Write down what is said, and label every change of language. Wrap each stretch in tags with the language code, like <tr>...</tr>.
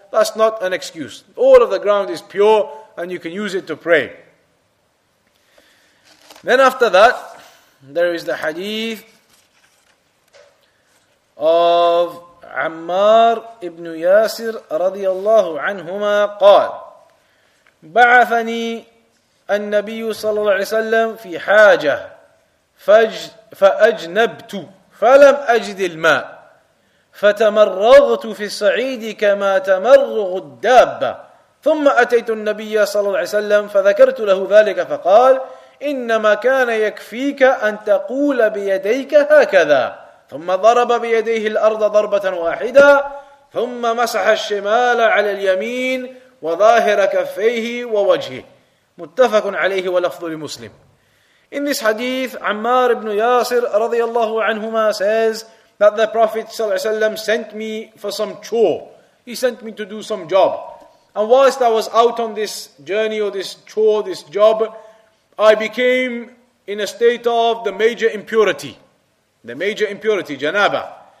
<en>That's not an excuse. All of the ground is pure and you can use it to pray. Then after that, there is the hadith of Ammar ibn Yasir radiyallahu anhuma qal.</en> <ar>بعثني النبي صلى الله عليه وسلم في حاجة فأجنبت فلم أجد الماء فتمرغت في الصعيد كما تمرغ الدابة ثم أتيت النبي صلى الله عليه وسلم فذكرت له ذلك فقال إنما كان يكفيك أن تقول بيديك هكذا ثم ضرب بيديه الأرض ضربة واحدة ثم مسح الشمال على اليمين وظاهر كفيه ووجهه متفق عليه ولفظ لمسلم.</ar> <en>In this hadith, Ammar ibn Yasir radiyallahu anhuma says that the Prophet sallallahu alayhi wa sallam sent me for some chore. He sent me to do some job. And whilst I was out on this journey or this chore, this job, I became in a state of the major impurity, janaba.</en>